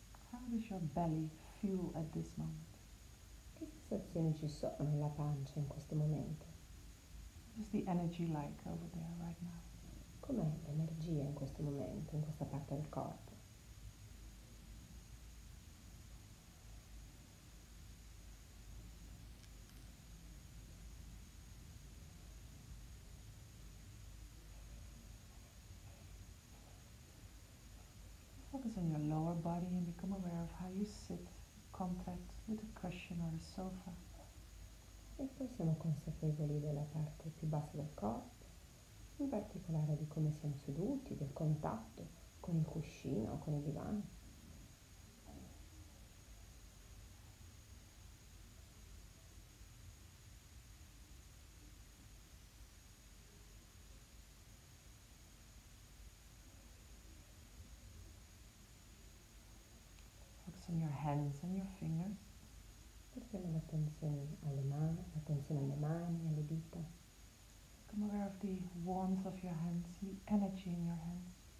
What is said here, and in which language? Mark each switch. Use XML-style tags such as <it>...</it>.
<en>How does your belly feel at this moment?</en> <it>Che sensazioni ci sono nella pancia in questo momento?</it> <en>What is the energy like over there right now?</en> <it>Com'è l'energia in questo momento, in questa parte del corpo?</it> <en>Focus on your lower body and become aware of how you sit in contact with a cushion or a sofa.</en> <it>E poi siamo consapevoli della parte più bassa del corpo, in particolare di come siamo seduti, del contatto con il cuscino o con il divano.</it> <en>Focus on your hands and your fingers.</en> <it>Portiamo l'attenzione alle mani, l'attenzione alle mani, alle dita.</it> <en>Become aware of the warmth of your hands, the energy in your hands.</en>